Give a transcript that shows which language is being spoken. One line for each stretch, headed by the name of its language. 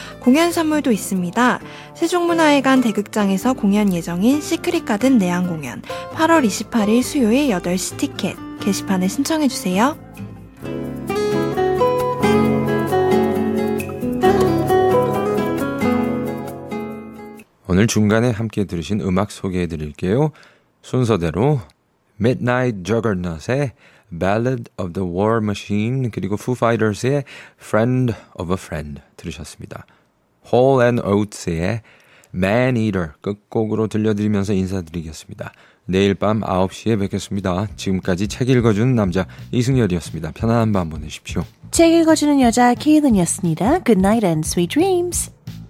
Korean: 공연 선물도 있습니다. 세종문화회관 대극장에서 공연 예정인 시크릿 가든 내한 공연, 8월 28일 수요일 8시 티켓, 게시판에 신청해주세요. 오늘 중간에 함께 들으신 음악 소개해드릴게요. 순서대로 Midnight Juggernaut의 Ballad of the War Machine 그리고 Foo Fighters의 Friend of a Friend 들으셨습니다. Hall and Oates의 Man Eater 끝곡으로 들려드리면서 인사드리겠습니다. 내일 밤 9시에 뵙겠습니다. 지금까지 책 읽어주는 남자 이승열이었습니다. 편안한 밤 보내십시오. 책 읽어주는 여자 케이든이었습니다.
English: Good night and sweet dreams.